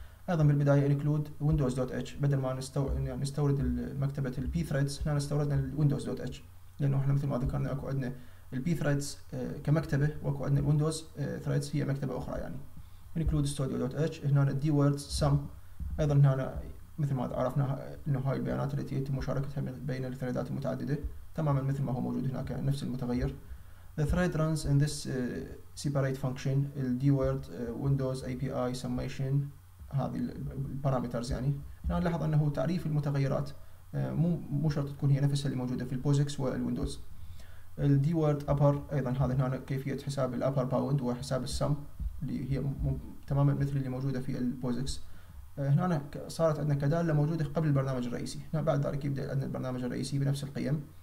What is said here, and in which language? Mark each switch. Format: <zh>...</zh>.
<ar>أيضا بالبداية include windows.h، بدل ما نستورد مكتبة الـ pthreads هنا نستوردنا الـ windows.h، لأنه احنا مثل ما ذكرنا أكو عندنا الـ pthreads كمكتبة وأكو عندنا الـ windows threads هي مكتبة أخرى يعني. include studio.h هنا الـ dwords sum، أيضا هنا مثل ما عرفنا أنه هاي البيانات التي يتم مشاركتها بين الثريدات المتعددة تماما مثل ما هو موجود هناك نفس المتغير.</ar> <en>The thread runs in this separate function الـ dword windows api summation،</en> <ar>هذه البارامترز يعني. هنا نلاحظ انه تعريف المتغيرات مو شرط تكون هي نفسها اللي موجوده في البوزكس والويندوز. الدي وورد ابر ايضا هذا هنا كيفيه حساب الابر باوند وحساب السم اللي هي تماما مثل اللي موجوده في البوزكس. هنا صارت عندنا كداله موجوده قبل البرنامج الرئيسي. هنا بعد ذلك يبدا عندنا البرنامج الرئيسي بنفس القيم.</ar>